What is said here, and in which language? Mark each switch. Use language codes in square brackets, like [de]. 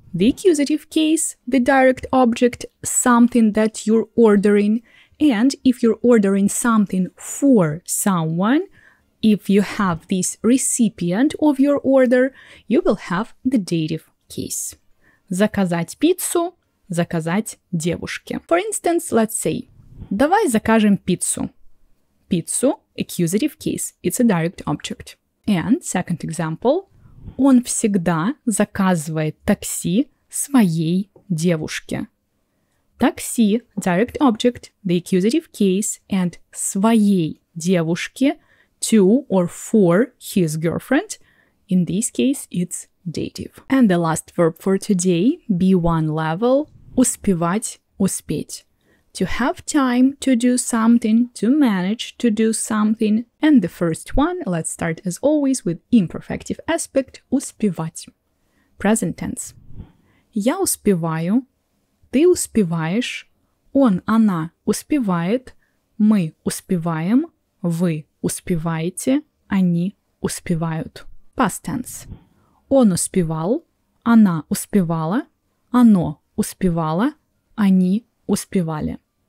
[en] The accusative case, the direct object, something that you're ordering. And if you're ordering something for someone, if you have this recipient of your order, you will have the dative case. [ru] Заказать пиццу, заказать девушке. [en] For instance, let's say, [ru] давай закажем пиццу. [en] Пиццу, accusative case, it's a direct object. And second example, [ru] он всегда заказывает такси своей девушке. [en] Такси, direct object, the accusative case, and [ru] своей девушке, [en] to or for his girlfriend. In this case, it's dative. And the last verb for today, B1 level, успевать, успеть. To have time to do something, to manage to do something. And the first one, let's start as always with imperfective aspect, успевать. Present tense. [ru] Я успеваю. Ты успеваешь, он, она успевает, мы успеваем, вы успеваете, они успевают. [en] Past tense. [ru] Он успевал, она успевала, оно успевало, они успевали.